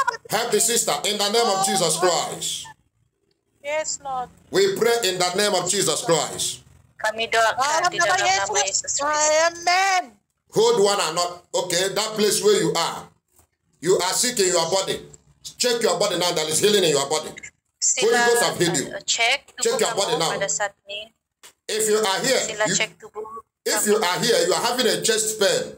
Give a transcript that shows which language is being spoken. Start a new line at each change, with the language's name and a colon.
English: Help the sister in the name of Jesus Christ. Yes, Lord. We pray in the name of Jesus Christ.
Indonesian: Kami doakan di dalam nama Yesus Kristus.
English: Amen. Hold one another. Okay, that place where you are sick in your body. Check your body now. There is healing in your body. Holy Ghost have healed you. Check your body now. If you are here, you are having a chest pain.